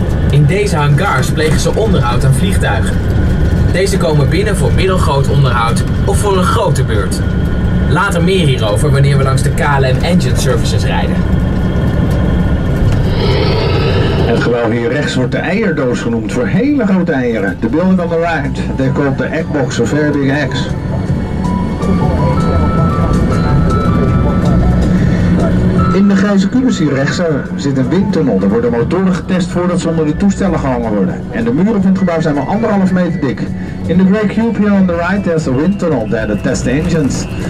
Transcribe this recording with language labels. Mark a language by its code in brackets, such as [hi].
[nl] In deze hangars plegen ze onderhoud aan vliegtuigen. Deze komen binnen voor middelgroot onderhoud of voor een grote beurt. Later meer hierover wanneer we langs de KLM Engine Services rijden. Het gebouw hier rechts wordt de eierdoos genoemd voor hele grote eieren. [en] The building on the right, they call the egg box of very big eggs. [nl] In de grijze kubus hier rechts zit een windtunnel. Er worden motoren getest voordat ze onder de toestellen gehangen worden. En de muren van het gebouw zijn maar 1,5 meter dik. [en] In the grey cube here on the right there's a windtunnel there to test the engines.